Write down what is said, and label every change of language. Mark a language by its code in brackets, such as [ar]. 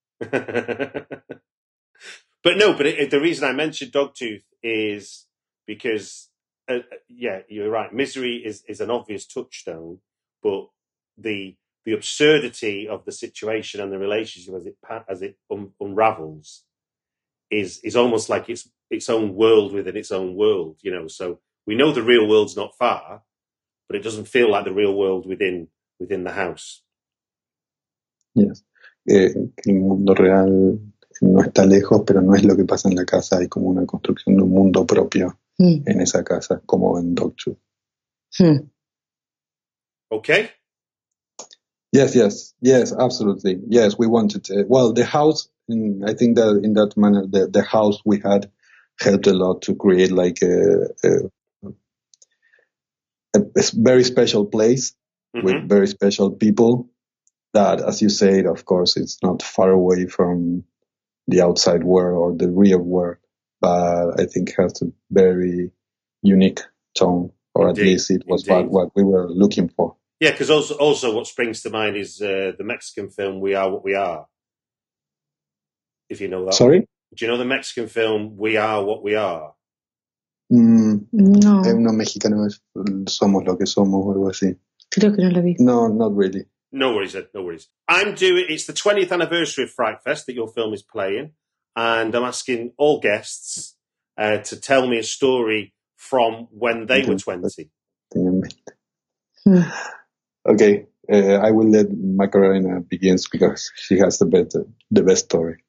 [en] but the reason I mentioned Dogtooth is because you're right, Misery is an obvious touchstone, but the absurdity of the situation and the relationship as it unravels is almost like it's its own world within its own world, you know. So we know the real world's not far, but it doesn't feel like the real world within the house. [es] Yes, el mundo real no está lejos, pero no es lo que pasa en la casa. Hay como una construcción de un mundo propio en esa casa, como en Dogtooth. [en] Okay. Yes, absolutely. Yes, we wanted to. Well, the house, I think that in that manner, the house we had helped a lot to create like a very special place, mm-hmm. with very special people that, as you said, of course, it's not far away from the outside world or the real world, but I think has a very unique tone, or indeed, at least it was what we were looking for. Yeah, because also what springs to mind is the Mexican film We Are What We Are, if you know that. Sorry? One. Do you know the Mexican film We Are What We Are? No. [es] Es una mexicana, somos lo que somos, algo así. Creo que no lo vi. [en] No, not really. No worries, Ed, no worries. It's the 20th anniversary of Fright Fest that your film is playing, and I'm asking all guests to tell me a story from when they were 20. Okay, I will let Macarena begin because she has the best story.